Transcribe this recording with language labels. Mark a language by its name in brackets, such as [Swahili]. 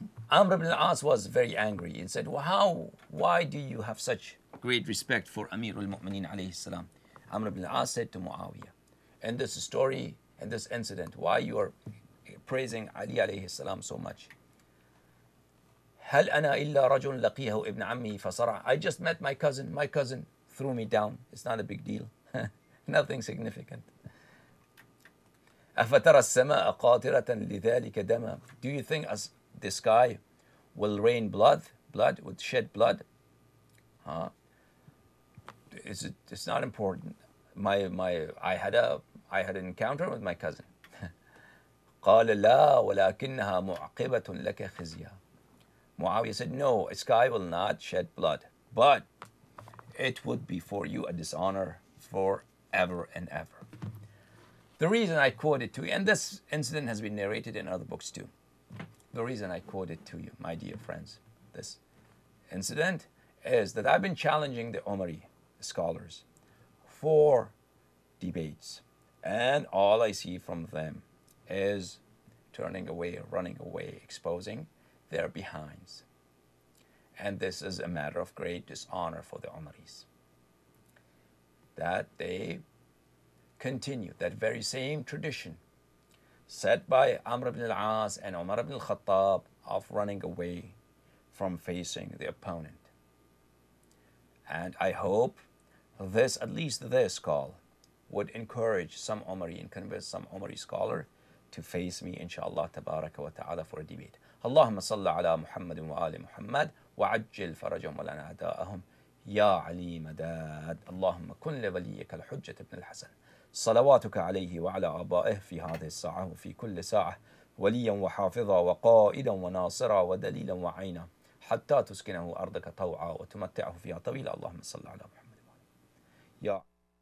[English] Amr ibn al-As was very angry and said, well, how, why do you have such great respect for Amir al-Mu'mineen alayhi salam? Amr ibn al-As said to Muawiyah, in this story, in this incident, why you are praising Ali alayhi salam so much? [Arabic] هل أنا إلا رجل لقيه ابن عمي فصرع. [English] I just met my cousin. My cousin threw me down. It's not a big deal. Nothing significant. [Arabic] أفترى السماء قاطرة لذلك دما. [English] Do you think as the sky will rain blood? Blood? Would shed blood? Is it, it's not important. I had an encounter with my cousin. [Arabic] قال لا ولكنها معقبة لك خزية. [English] Muawiyah said, no, a sky will not shed blood, but it would be for you a dishonor forever and ever. The reason I quote it to you, and this incident has been narrated in other books too. The reason I quote it to you, my dear friends, this incident is that I've been challenging the Umari scholars for debates. And all I see from them is turning away, running away, exposing their behinds. And this is a matter of great dishonor for the Umaris, that they continue that very same tradition set by Amr ibn al-As and Umar ibn al-Khattab of running away from facing the opponent. And I hope this, at least this call, would encourage some Umari and convince some Umari scholar to face me, [Arabic] inshallah, tabaraka wa ta'ala, [English] for a debate. [Arabic] اللهم صل على محمد وآل محمد وعجل فرجهم ولن أعداءهم يا علي مداد. اللهم كن لوليك الحجة ابن الحسن صلواتك عليه وعلى آبائه في هذه الساعة وفي كل ساعة وليا وحافظا وقائدا وناصرا ودليلا وعينا حتى تسكنه أرضك طوعا وتمتعه فيها طويلا. اللهم صل على محمد وآل محمد.